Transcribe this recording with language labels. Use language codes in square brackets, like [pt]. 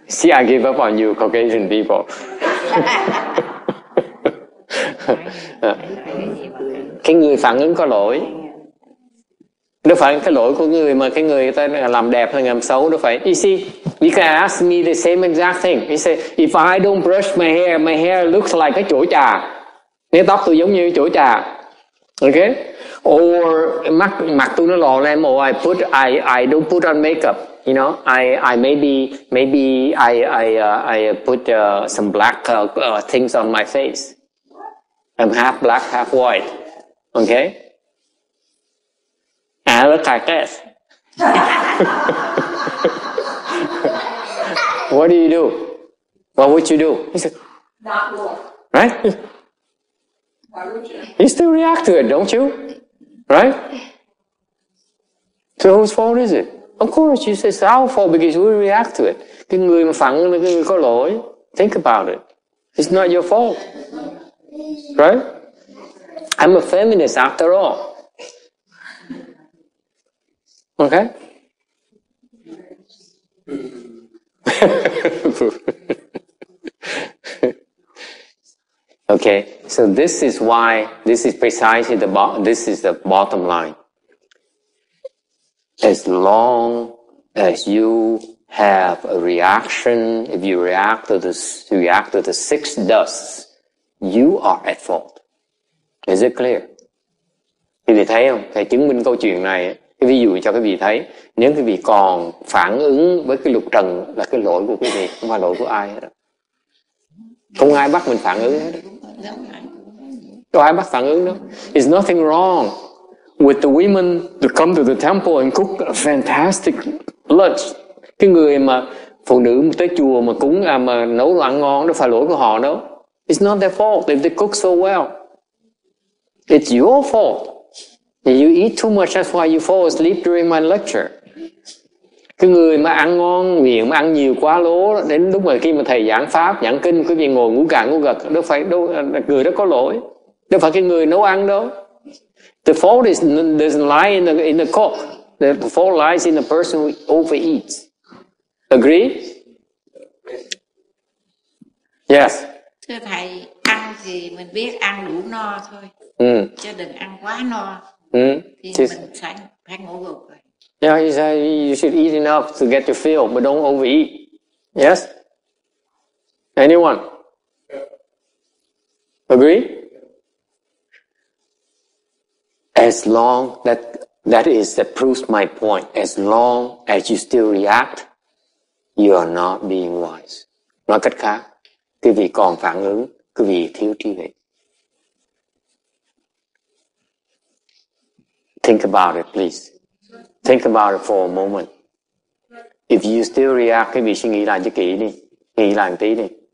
[en] See, I give up on you, Caucasian people. [vi] Cái người phản ứng có lỗi. Đâu phải cái lỗi của người mà cái người ta làm đẹp hay làm xấu, đâu phải. [en] You see, you can ask me the same exact thing. You say, if I don't brush my hair looks like a chổi trà. [vi] Nếu tóc tôi giống như chổi trà. [en] Okay? Or [vi] mặt tôi nó lò lem, [en] or I don't put on makeup. You know, I put some black things on my face. I'm half black, half white. Okay? I look like this. What do you do? What would you do? He said, not look. Right? Why would you? You still react to it, don't you? Right? So whose fault is it? Of course, you say it's our fault because we react to it. [vi] Cái người mà phản ứng là cái người có lỗi. [en] Think about it. It's not your fault. Right? I'm a feminist after all. Okay? Okay, so this is why, this is precisely the this is the bottom line. As long as you have a reaction, if you react to the six dusts, you are at fault. Is it clear? [vi] Thì thầy thấy không? Thầy chứng minh câu chuyện này ấy. Cái ví dụ cho quý vị thấy, nếu quý vị còn phản ứng với cái lục trần là cái lỗi của quý vị, không phải lỗi của ai hết. Không ai bắt mình phản ứng hết. Có ai bắt phản ứng đâu. [en] It's nothing wrong with the women to come to the temple and cook a fantastic lunch. [vi] Cái người mà phụ nữ mà tới chùa mà cúng à, mà nấu đồ ăn ngon, đâu phải lỗi của họ đâu. [en] It's not their fault if they cook so well. It's your fault. You eat too much, that's why you fall asleep during my lecture. [vi] Cái người mà ăn ngon miệng, mà ăn nhiều quá lố, đến lúc mà khi mà thầy giảng pháp, giảng kinh, quý vị ngồi ngủ gà ngủ gật, đâu phải đâu, người đó có lỗi. Đâu phải cái người nấu ăn đâu. [en] The fault is, doesn't lie in the cook. The fault lies in the person who overeats. Agree? Yes. [vi] Thưa thầy, ăn thì mình biết ăn đủ no thôi. Ừ. Chứ đừng ăn quá no. Ừ. Thì mình phải ngủ gục rồi. [en] Yeah, he said you should eat enough to get your fill, but don't overeat. Yes? Anyone? Agree? As long that is, that proves my point. As long as you still react, you are not being wise. [vi] Nói cách khác, quý vị còn phản ứng, quý vị thiếu trí huệ. [en] Think about it, please. Think about it for a moment. If you still react, [vi] quý vị suy nghĩ lại cho kỹ đi. Nghĩ lại một tí đi.